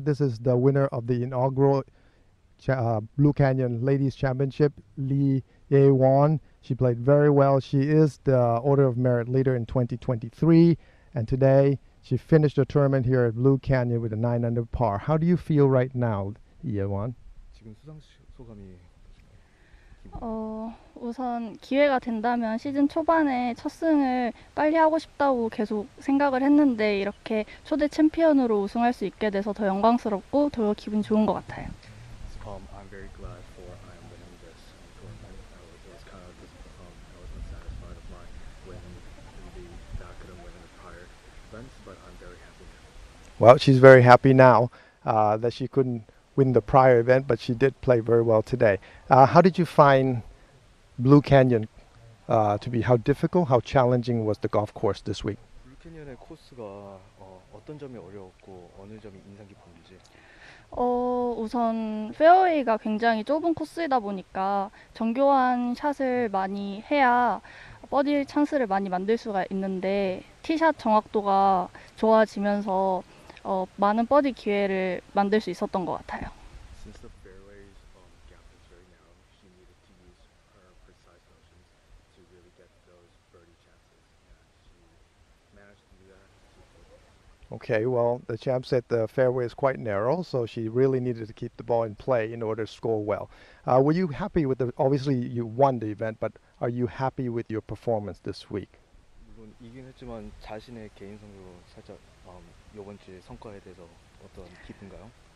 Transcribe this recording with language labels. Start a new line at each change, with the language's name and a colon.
English: This is the winner of the inaugural Blue Canyon Ladies Championship, Lee Ye Won. She played very well. She is the Order of Merit leader in 2023. And today, she finished the tournament here at Blue Canyon with a 9-under par. How do you feel right now, Ye Won?
Korean: 지금 수상 소감이 우선 기회가 된다면 시즌 초반에 첫 승을 빨리 하고 싶다고 계속 생각을 했는데 이렇게 초대 챔피언으로 우승할 수 있게 돼서 더 영광스럽고 더 기분 좋은 것 같아요.
English: I'm very glad for I am winning this. I was kind of disappointed. I was unsatisfied with my win in the Dakota winning the prior events, but I'm very happy now. Well, she's very happy now that she couldn't win the prior event, but she did play very well today. How did you find Blue Canyon to be? How difficult, how challenging was the golf course this week?
Korean: Blue Canyon의 코스가 어떤 점이 어려웠고 어느 점이 인상 깊었는지? 우선 페어웨이가 굉장히 좁은 코스이다 보니까 정교한 샷을 많이 해야 버디 찬스를 많이 만들 수가 있는데 티샷 정확도가 좋아지면서 많은 버디 기회를 만들 수 있었던 것 같아요.
English: Since the fairways gap is very narrow, she needed to use her precise motions to really get those birdie chances. And she managed to do that. Okay, well, the champ said the fairway is quite narrow, so she really needed to keep the ball in play in order to score well. Were you happy with the, obviously you won the event, but are you happy with your performance this week?
Korean: 물론 이긴 했지만 자신의 개인 성적으로 살짝 이번 주 성과에 대해서 어떤 기쁜가요?